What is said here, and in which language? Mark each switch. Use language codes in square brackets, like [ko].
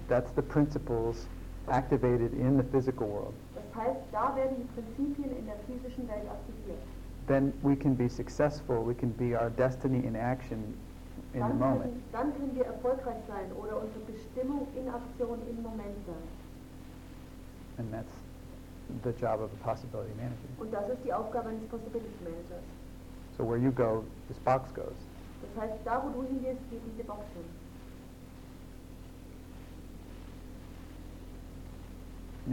[en] That's the principles activated in the physical world. [de] Das heißt, da werden die Prinzipien in der physischen Welt aktiviert. [en] Then we can be successful, we can be our destiny in action in the moment. [de] Dann können wir erfolgreich sein oder unsere Bestimmung in Aktion im Moment sein. [en] And that's the job of the possibility manager. [de] Und das ist die Aufgabe eines Possibility Managers. [en] So where you go, this box goes. [de] Das heißt, da wo du hingehst, geht diese Box hin.